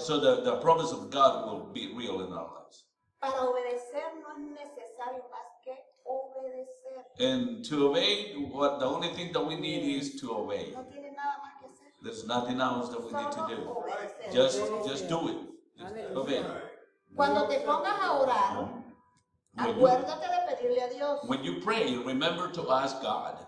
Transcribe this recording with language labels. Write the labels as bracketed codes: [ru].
[en] So the promise of God will be real in our lives. [es] Para obedecer no es necesario más que obedecer. [en] And to obey, what the only thing that we need is to obey. [es] No tiene nada más que hacer. [en] There's nothing else that we [es] solo [en] need to do. [es] Obedecer. [en] Just do it. Just obey. [es] Cuando te pongas a orar, acuérdate de pedirle a Dios. [en] When you pray, remember to ask God.